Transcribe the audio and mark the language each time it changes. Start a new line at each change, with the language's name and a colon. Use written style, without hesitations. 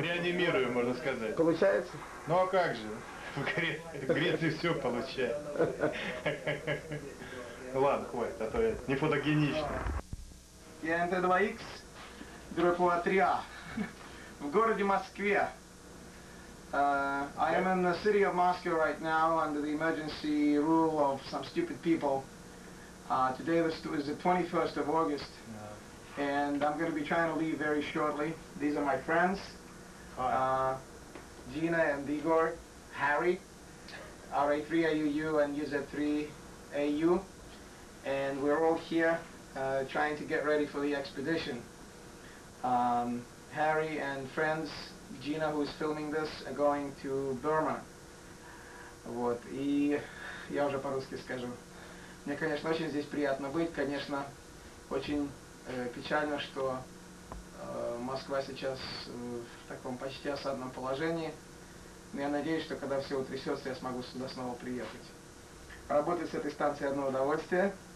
Russian: Реанимируем, можно сказать. Получается? Ну а как же? В Греции все получается. Ладно, хватит, а то я не фотогенично. ИНТ-2Х, группа 3А, в городе Москве.
English: I am in the city of Moscow right now under the emergency rule of some stupid people. Today is the 21st of August, and I'm going to be trying to leave very shortly. These are my friends. Hi. Gina and Igor, Harry, RA3AUU and UZ3AU, and we're all here trying to get ready for the expedition. Harry and friends, Gina, who is filming this, are going to Burma.
Russian: Вот, и я уже по-русски скажу. Мне, конечно, очень здесь приятно быть, конечно, очень печально, что Москва сейчас в таком почти осадном положении. Но я надеюсь, что когда все утрясется, я смогу сюда снова приехать. Работать с этой станцией одно удовольствие.